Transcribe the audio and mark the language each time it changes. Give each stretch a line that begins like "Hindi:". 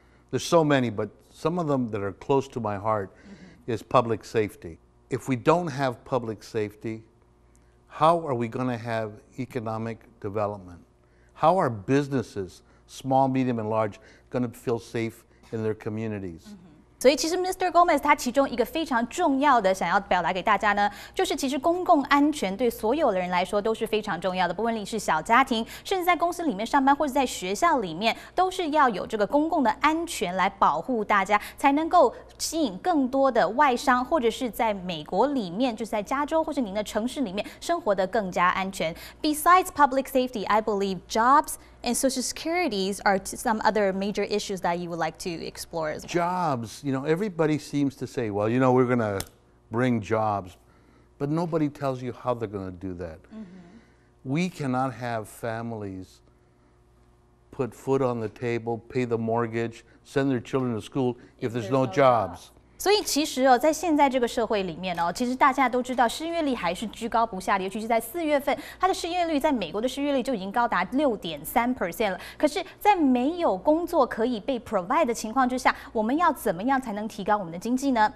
English: There's so many, but some of them that are close to my heart、mm-hmm. is public safety. If we don't have public safety, how are we going to have economic development? How are businesses, small, medium, and large, going to feel safe in their communities?、
Chinese: Mm-hmm. 所以其实 Mr. Gomez 他其中一个非常重要的想要表达给大家呢，就是其实公共安全对所有的人来说都是非常重要的，不论你是小家庭，甚至在公司里面上班，或者在学校里面，都是要有这个公共的安全来保护大家，才能够吸引更多的外商，或者是在美国里面，就是在加州或者您的城市里面生活得更加安全。
English: Besides public safety, I believe jobs and social securities are some other major issues that you would like to explore. As well. Jobs, you know, everybody seems to say, well, you know, we're going to bring jobs, but nobody tells you how they're going to do that.、Mm-hmm. We cannot have families put food on the table, pay the mortgage, send their children to school if there's no jobs.
Chinese: 所以其实、哦、在现在这个社会里面、哦、其实大家都知道失业率还是居高不下的，尤其是在四月份，它的失业率在美国的失业率就已经高达 6.3% 了。可是在没有工作可以被 provide 的情况之下，我们要怎么样才能提高我们的经济呢？